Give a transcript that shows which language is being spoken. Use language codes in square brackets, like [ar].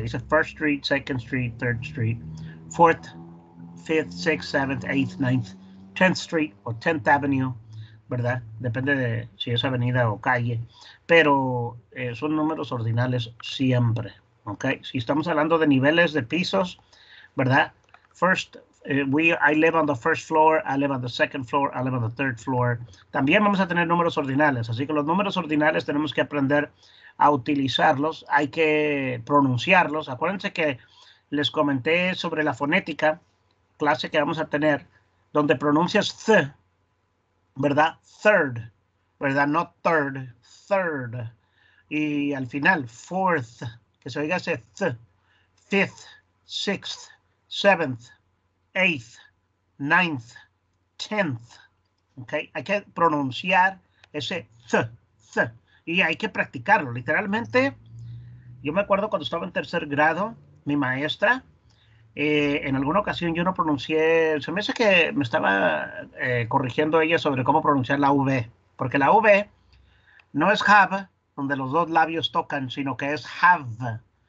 [es] Se dice [en] first street, second street, third street, fourth, fifth, sixth, seventh, eighth, ninth, tenth street o tenth avenue. [es] ¿Verdad? Depende de si es avenida o calle, pero son números ordinales siempre, ¿ok? Si estamos hablando de niveles de pisos, ¿verdad? [en] I live on the first floor, I live on the second floor, I live on the third floor. [es] También vamos a tener números ordinales, así que los números ordinales tenemos que aprender a utilizarlos, hay que pronunciarlos. Acuérdense que les comenté sobre la fonética, clase que vamos a tener, donde pronuncias th, ¿verdad? Third, ¿verdad? No third, third. Y al final, fourth, que se oiga ese th. [en] Fifth, sixth, seventh, eighth, ninth, tenth. [es] ¿Ok? Hay que pronunciar ese th, th. Y hay que practicarlo. Literalmente, yo me acuerdo cuando estaba en tercer grado, mi maestra. En alguna ocasión yo no pronuncié, se me hace que me estaba corrigiendo ella sobre cómo pronunciar la V, porque la V no es have, donde los dos labios tocan, sino que es have.